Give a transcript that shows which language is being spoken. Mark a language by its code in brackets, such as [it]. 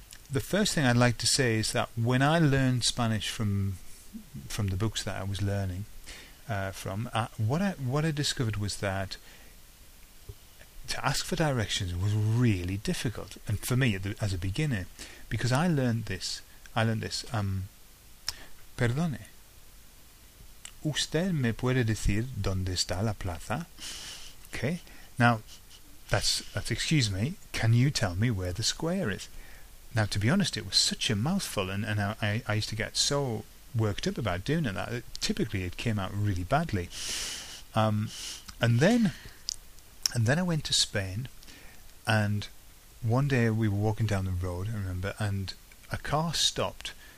[en] The first thing I'd like to say is that when I learned Spanish from the books that I was learning what I discovered was that to ask for directions was really difficult, and for me as a beginner, because I learned this. [es] Perdone. ¿Usted me puede decir dónde está la plaza? [en] Okay. Now, that's excuse me. Can you tell me where the square is? Now, to be honest, it was such a mouthful, and I used to get so worked up about doing it that typically it came out really badly. And then I went to Spain, and one day we were walking down the road, I remember, and a car stopped.